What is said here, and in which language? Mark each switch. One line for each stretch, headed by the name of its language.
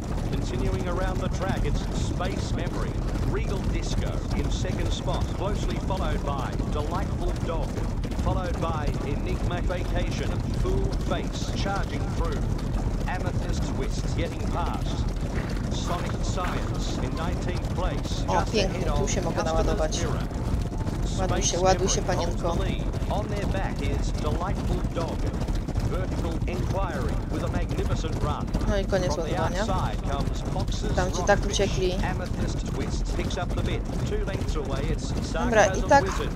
English: Continuing around the track, it's Space Memory, Regal Disco in second spot, closely followed by Delightful Dog, followed by Enigma Vacation, Fool Face charging through. Amethyst Twist getting past. Sonic Science in 19th place.
Polish: O, pięknie, tu się mogę naładować. Ładuj się, panienko.
English: On their back is Delightful Dog. Virtual Inquiry with a magnificent run.
Polish: No i koniec ładowania. Tam ci tak uciekli.
English: Amethyst Twist picks up the bit. Two lengths away, it's Sarcasm